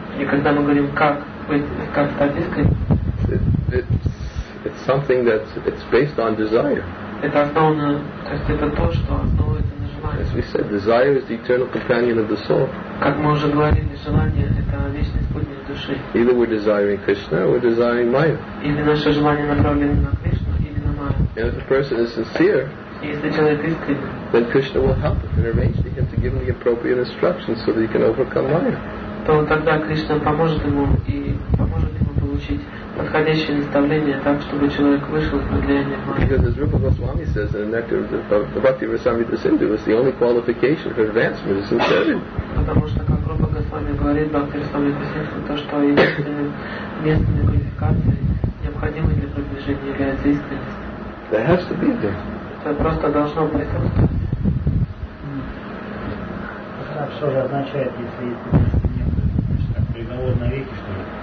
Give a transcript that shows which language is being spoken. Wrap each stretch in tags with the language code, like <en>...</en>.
<ru>И когда мы говорим как быть, как стать искренним.</ru> <en>It's something that it's based on desire.</en> <ru>Это основано, то есть это то, что основывается на желании.</ru> <en>As we said, desire is the eternal companion of the soul.</en> <ru>Как мы уже говорили, желание это вечный спутник души.</ru> <en>Either we're desiring Krishna or we're desiring Maya.</en> <ru>Или наше желание направлено на Кришну или на Майю.</ru> <en>And if the person is sincere, then Krishna will help him and arrange for him to give him the appropriate instructions so that he can overcome Maya.</en> <ru>То тогда Кришна поможет ему и поможет ему получить подходящее наставление так, чтобы человек вышел из подлияния Майи.</ru> <en>Because as Rupa Goswami says, in the nectar of the Bhakti Rasamrita Sindhu is the only qualification for advancement is sincerity.</en> <ru>Потому что, как Рупа Госвами говорит, Бхакти Расамрита Синдху, то, что единственная квалификация, необходимая для продвижения, является искренность.</ru> <en>There has to be there.</en> <ru>Это просто должно присутствовать. Что же означает, если есть единственное приговор на веки, что ли?</ru>